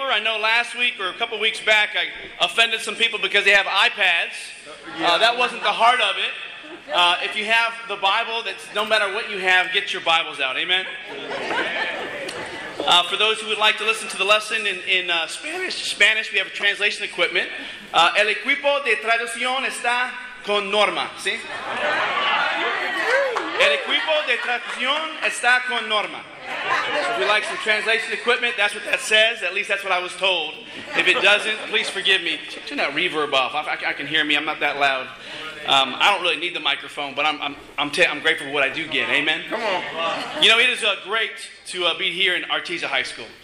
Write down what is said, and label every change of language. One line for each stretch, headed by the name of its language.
English: I know last week or a couple weeks back, I offended some people because they have iPads. That wasn't the heart of it. If you have the Bible, that's no matter what you have, get your Bibles out. Amen. For those who would like to listen to the lesson in Spanish, we have a translation equipment.
Spanish: El equipo de traducción está con Norma, ¿sí? El equipo de traducción está con Norma.
English: So if you like some translation equipment, that's what that says. At least that's what I was told. If it doesn't, please forgive me. Turn that reverb off. I can hear me. I'm not that loud. I don't really need the microphone, but I'm grateful for what I do get. Amen? Come on. You know, it is great to be here in Artesia High School.